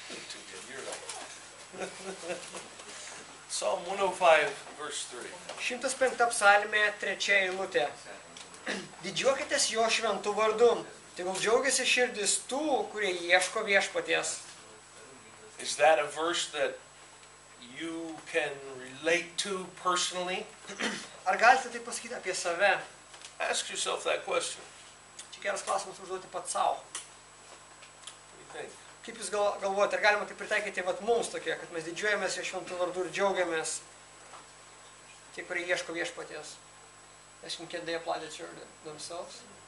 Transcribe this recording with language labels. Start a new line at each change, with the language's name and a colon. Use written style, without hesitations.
English: Too good. You're right. Psalm 105, verse 3.
Lithuanian: 105 psalmė, 3 eilutė. Didžiuokitės jo šventu vardu, tegul džiaugiasi širdis tų, kurie ieško viešpaties.
English: Is that a verse that you can relate to personally?
Lithuanian: Ar galite tai pasakyti apie save?
English: Ask yourself that question.
Lithuanian: Čia geras klausimas užduoti pat sau. Kaip jūs galvojate, ar galima tai pritaikyti vat mums tokie, kad mes didžiuojamės jo šventu vardu ir džiaugiamės tie, kurie ieško viešpaties?
English: Can they apply that to themselves?